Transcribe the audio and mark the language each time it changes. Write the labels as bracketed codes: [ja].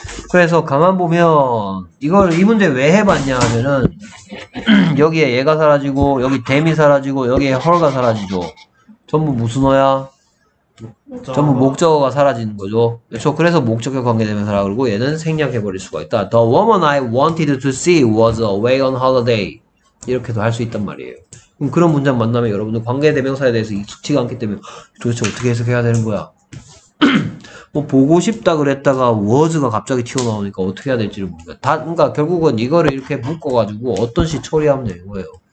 [ko] 그래서 가만 보면 이걸 이 문제 왜 해봤냐 하면은 여기에 얘가 사라지고 여기 댐이 사라지고 여기에 헐가 사라지죠. 전부 무슨 어야? 전부 목적어가 사라지는 거죠. 그렇죠? 그래서 목적격 관계대명사라 그러고 얘는 생략해버릴 수가 있다. [en] The woman I wanted to see was away on holiday. [ko] 이렇게도 할 수 있단 말이에요. 그럼 그런 문장 만나면 여러분들 관계대명사에 대해서 익숙치가 않기 때문에 도대체 어떻게 해석해야 되는 거야? 뭐 보고 싶다 그랬다가 was가 갑자기 튀어나오니까 어떻게 해야 될지를 모르니까 다 그러니까 결국은 이거를 이렇게 묶어가지고 어떤 시 처리하면 되는 거예요.